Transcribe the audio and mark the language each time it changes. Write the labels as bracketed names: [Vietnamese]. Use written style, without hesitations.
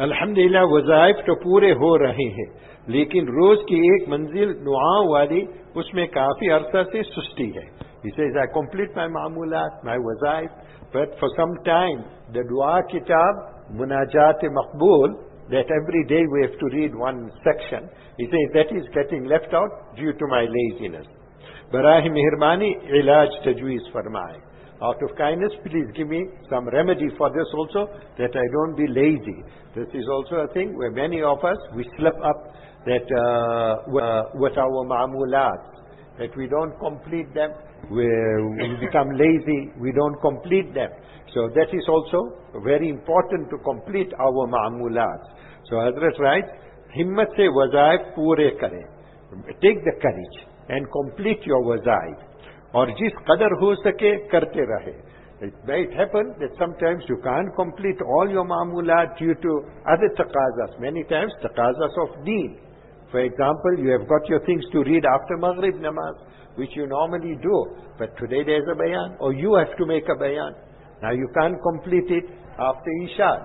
[Urdu] الحمدللہ وظائف تو پورے ہو رہے ہیں لیکن روز کی ایک منزل نعاں والی اس میں کافی عرصہ سے سستی ہے. [English] He says, I complete my معمولات, my وظائف, but for some time the [Urdu] دعا کتاب مناجات مقبول, [English] that every day we have to read one section, he says that is getting left out due to my laziness. [Urdu] براہ مہربانی علاج تجویز فرمائے. [English] Out of kindness, please give me some remedy for this also, that I don't be lazy. This is also a thing where many of us, we slip up that with our ma'amulat, that we don't complete them, we become lazy, we don't complete them. So that is also very important to complete our ma'amulat. So Hazrat writes, [Urdu] Himmat se wazaif poore kare. [English] Take the courage and complete your wazaif. [Urdu] اور جس قدر ہو سکے کرتے رہے. [English] It happens that sometimes you can't complete all your معمولات due to other تقاضاس. Many times تقاضاس of deen. For example, you have got your things to read after مغرب نماز, which you normally do. But today there is a bayan, or you have to make a bayan. Now you can't complete it after Isha.